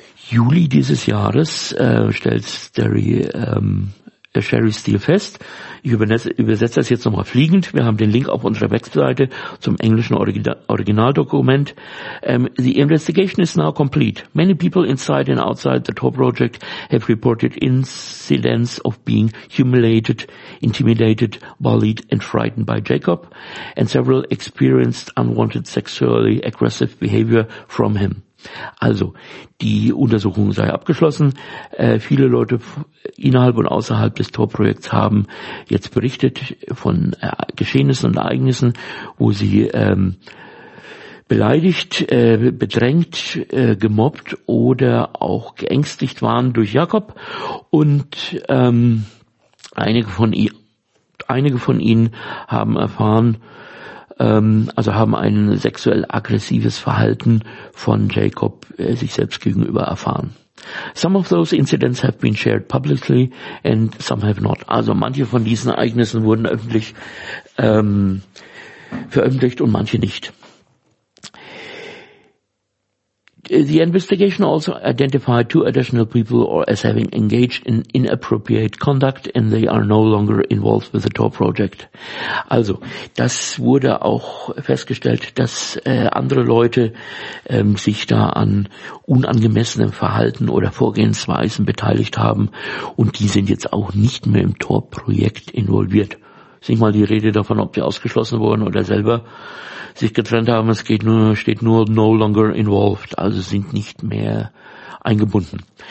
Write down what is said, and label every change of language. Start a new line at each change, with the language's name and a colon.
German: Juli dieses Jahres, stellt Shari Steele fest. Ich übersetze das jetzt nochmal fliegend. Wir haben den Link auf unserer Webseite zum englischen Originaldokument.
English: The investigation is now complete. Many people inside and outside the Tor Project have reported incidents of being humiliated, intimidated, bullied and frightened by Jacob and several experienced unwanted sexually aggressive behavior from him.
German: Also, die Untersuchung sei abgeschlossen. Viele Leute innerhalb und außerhalb des Tor-Projekts haben jetzt berichtet von Geschehnissen und Ereignissen, wo sie beleidigt, bedrängt, gemobbt oder auch geängstigt waren durch Jacob. Und einige von ihnen haben erfahren, also haben ein sexuell aggressives Verhalten von Jacob sich selbst gegenüber erfahren.
English: Some of those incidents have been shared publicly and some have not.
German: Also manche von diesen Ereignissen wurden öffentlich veröffentlicht und manche nicht.
English: The investigation also identified two additional people as having engaged in inappropriate conduct and they are no longer involved with the Tor Project.
German: Also, das wurde auch festgestellt, dass andere Leute sich da an unangemessenem Verhalten oder Vorgehensweisen beteiligt haben und die sind jetzt auch nicht mehr im Tor Projekt involviert. Ist nicht mal die Rede davon, ob die ausgeschlossen wurden oder selber sich getrennt haben, steht nur
English: no longer involved,
German: also sind nicht mehr eingebunden.